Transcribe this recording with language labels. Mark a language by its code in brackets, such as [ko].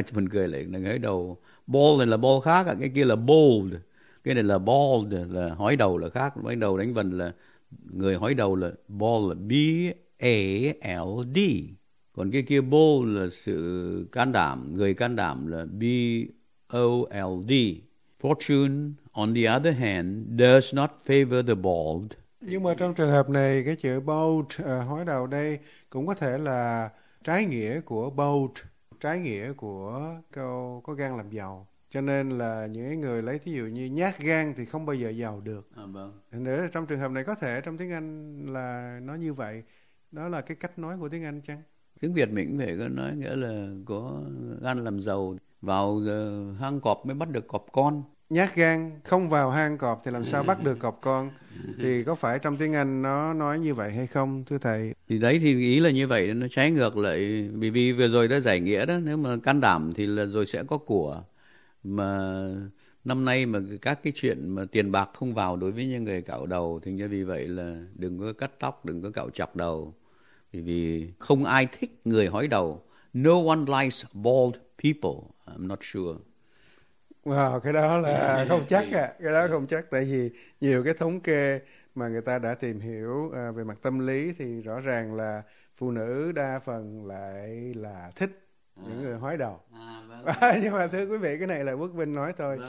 [vi] Mình cười lại là người hói đầu. Bold là bold khác, cái kia là bold. Cái này là bold, là hói đầu là khác. Hói đầu đánh vần là người hói đầu là bold, là B-A-L-D. Còn cái kia bold là sự can đảm, người can đảm là B-O-L-D. [en] Fortune, on the other hand, does not favor the bold. [vi] Nhưng mà trong trường hợp này, cái chữ bold, hói đầu đây, cũng có thể là trái nghĩa của bold, trái nghĩa của câu có gan làm giàu. Cho nên là những người lấy thí dụ như nhát gan thì không bao giờ giàu được. Vâng. Nếu trong trường hợp này có thể trong tiếng Anh là nó như vậy, đó là cái cách nói của tiếng Anh chăng? Tiếng Việt mình cũng phải nói nghĩa là có gan làm giàu, vào hang cọp mới bắt được cọp con. Nhát gan không vào hang cọp thì làm sao bắt được cọp con? Thì có phải trong tiếng Anh nó nói như vậy hay không, thưa thầy? Thì đấy thì ý là như vậy, nó trái ngược lại. Vì vừa rồi đã giải nghĩa đó, nếu mà can đảm thì là rồi sẽ có của. Mà năm nay mà các cái chuyện mà tiền bạc không vào đối với những người cạo đầu, thì như vì vậy là đừng có cắt tóc, đừng có cạo chọc đầu. Vì không ai thích người hói đầu. [en] No one likes bald people, I'm not sure. [vi] Wow, cái đó là không chắc ạ, cái đó không chắc, tại vì nhiều cái thống kê mà người ta đã tìm hiểu về mặt tâm lý thì rõ ràng là phụ nữ đa phần lại là thích những người hói đầu. Vâng. Nhưng mà thưa quý vị, cái này là Quốc Vinh nói thôi,